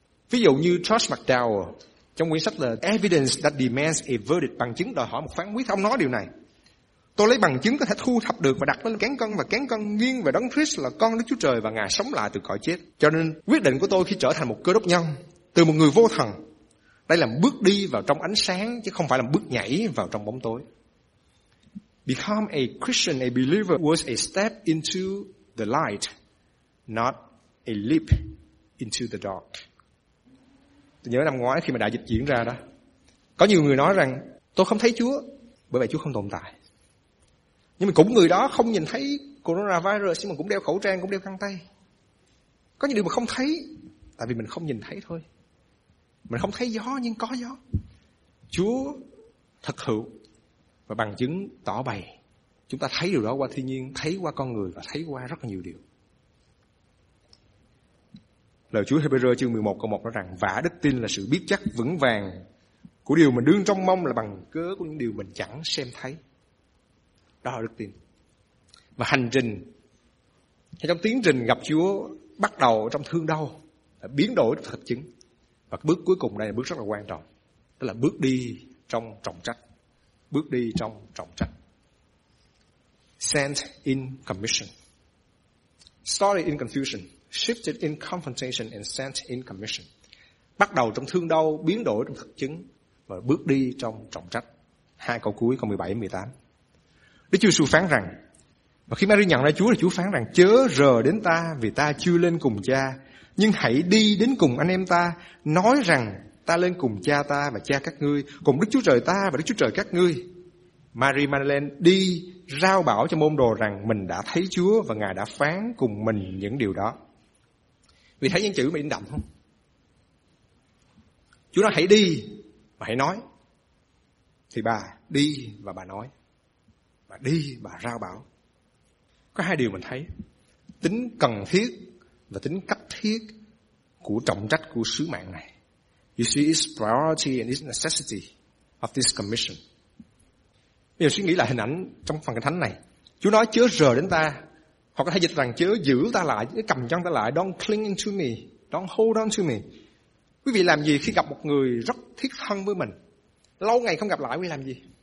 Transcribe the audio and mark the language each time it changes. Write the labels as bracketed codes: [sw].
[vi] Ví dụ như Charles McDowell, trong quyển sách là Evidence That Demands a Verdict, bằng chứng đòi hỏi một phán quyết, ông nói điều này: tôi lấy bằng chứng có thể thu thập được và đặt lên cán cân, và cán cân nghiêng về đấng Christ là con Đức Chúa Trời và Ngài sống lại từ cõi chết. Cho nên quyết định của tôi khi trở thành một Cơ Đốc nhân, từ một người vô thần, đây là bước đi vào trong ánh sáng chứ không phải là bước nhảy vào trong bóng tối. [en] Become a Christian, a believer was a step into the light, not a leap into the dark. [vi] Tôi nhớ năm ngoái khi mà đại dịch diễn ra đó, có nhiều người nói rằng tôi không thấy Chúa, bởi vậy Chúa không tồn tại. Nhưng mà cũng người đó không nhìn thấy coronavirus, nhưng mà cũng đeo khẩu trang, cũng đeo găng tay. Có những điều mà không thấy, tại vì mình không nhìn thấy thôi. Mình không thấy gió nhưng có gió. Chúa thật hữu và bằng chứng tỏ bày. Chúng ta thấy điều đó qua thiên nhiên, thấy qua con người và thấy qua rất nhiều điều. Lời Chúa Hebrew chương 11 câu 1 nói rằng: vả đức tin là sự biết chắc vững vàng của điều mình đương trông mong, là bằng cớ của những điều mình chẳng xem thấy. Đó là đức tin. Và hành trình hay trong tiến trình gặp Chúa bắt đầu trong thương đau, biến đổi thực chứng. Và bước cuối cùng đây là bước rất là quan trọng, đó là bước đi trong trọng trách. Bước đi trong trọng trách. [en] Sent in commission. Started in confusion, shifted in confrontation and sent in commission. [vi] Bắt đầu trong thương đau, biến đổi trong thực chứng và bước đi trong trọng trách. Hai câu cuối câu 17-18. Đức Chúa Jesus phán rằng: và khi Mary nhận ra Chúa thì Chúa phán rằng: chớ rờ đến ta vì ta chưa lên cùng cha, nhưng hãy đi đến cùng anh em ta, nói rằng ta lên cùng cha ta và cha các ngươi, cùng Đức Chúa Trời ta và Đức Chúa Trời các ngươi. Mary Magdalene đi rao bảo cho môn đồ rằng mình đã thấy Chúa và Ngài đã phán cùng mình những điều đó. Vì thấy những chữ mà in đậm không? Chúa nói hãy đi và hãy nói. Thì bà đi và bà nói. Bà đi bà rao bảo. Có hai điều mình thấy: tính cần thiết và tính cấp thiết của trọng trách của sứ mạng này. [en] You see its priority and its necessity of this commission. [vi] Bây giờ suy nghĩ lại hình ảnh trong phần kinh thánh này. Chúa nói chớ rờ đến ta. Họ có thể dịch rằng chớ giữ ta lại, chớ cầm chân ta lại. [en] Don't cling to me. Don't hold on to me. [vi] Quý vị làm gì khi gặp một người rất thiết thân với mình? Lâu ngày không gặp lại quý vị làm gì?